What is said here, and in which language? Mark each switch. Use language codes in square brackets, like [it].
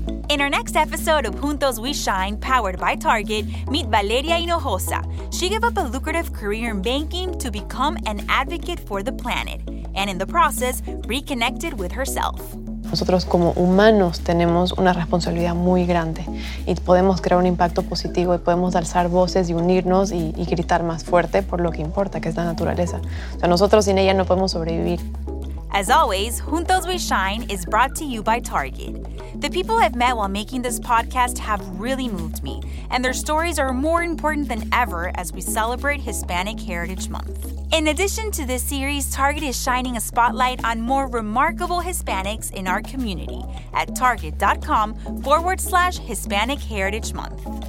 [en] In our next episode of Juntos We Shine, powered by Target, meet Valeria Hinojosa. She gave up a lucrative career in banking to become an advocate for the planet, and in the process, reconnected with herself. [es] Nosotros como humanos tenemos una responsabilidad muy grande y podemos crear un impacto positivo y podemos alzar voces y unirnos y gritar más fuerte por lo que importa, que es la naturaleza. O sea, nosotros sin ella no podemos sobrevivir. [en] As always, Juntos We Shine is brought to you by Target. The people I've met while making this podcast have really moved me, and their stories are more important than ever as we celebrate Hispanic Heritage Month. In addition to this series, Target is shining a spotlight on more remarkable Hispanics in our community at target.com/Hispanic Heritage Month.